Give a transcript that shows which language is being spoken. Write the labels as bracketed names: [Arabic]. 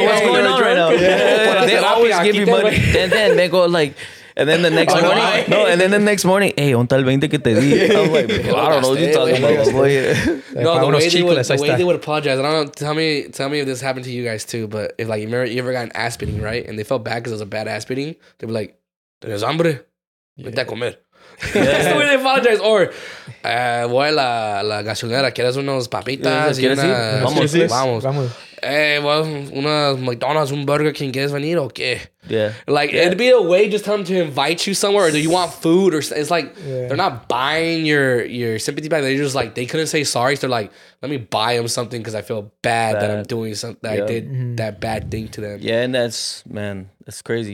[English] Wait, what's going on right now? They always give you money. And then they go like, and then the next morning, hey, [Spanish] on tal 20 que te di. [English] I'm like, I don't know what you're talking about. Boy. No, the way they would apologize. I don't know, tell me if this happened to you guys too, but if like you ever got an ass beating, right? And they felt bad because it was a bad ass beating, they'd be like, [Spanish] tienes hambre? Vete a comer. [English] Yeah. That's the way they apologize. [Spanish] Or, voy a la gasolinera, quieres unos papitas? [English] Yeah, [Spanish] vamos, [English] please. [Spanish] Vamos. [English] Hey, well, [Spanish] una McDonald's, un Burger King, ¿quieres venir o qué? [English] Yeah. Like, it'd be a way just tell them to invite you somewhere, or do you want food? Or it's like, they're not buying your sympathy bag. They're just like, they couldn't say sorry. So they're like, let me buy them something because I feel bad that I'm doing something, that I did that bad thing to them. Yeah, and that's, man, that's crazy.